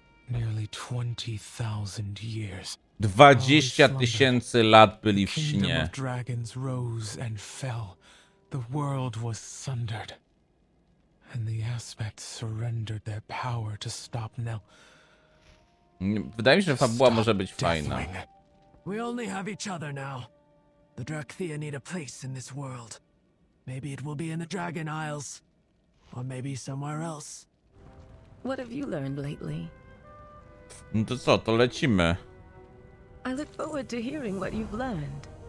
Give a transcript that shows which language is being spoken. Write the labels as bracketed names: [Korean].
[English] Nearly 20,000 years. [Polish] 20,000 lat byli w śnie. [English] Kingdom of dragons rose and fell. The world was sundered. And the aspects surrendered their power to stop Nel. [Polish] Wydaje mi się, że fabuła może być fajna. [English] We only have each other now. The Drakthia need a place in this world. Maybe it will be in the Dragon Isles. Or maybe somewhere else. What have you learned lately? [Polish] No to co, to lecimy. [English] I look forward to hearing what you've learned.